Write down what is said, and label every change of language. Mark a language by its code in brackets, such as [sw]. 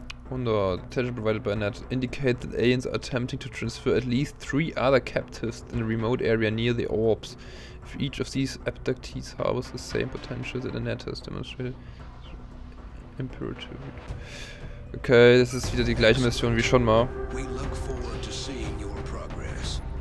[en] Under intelligence provided by Net indicate that aliens are attempting to transfer at least three other captives in a remote area near the orbs. If each of these abductees harbors the same potential that Net has demonstrated, imperative. [de] Okay, das ist wieder die gleiche Mission wie schon mal. [en] We look forward to seeing your progress.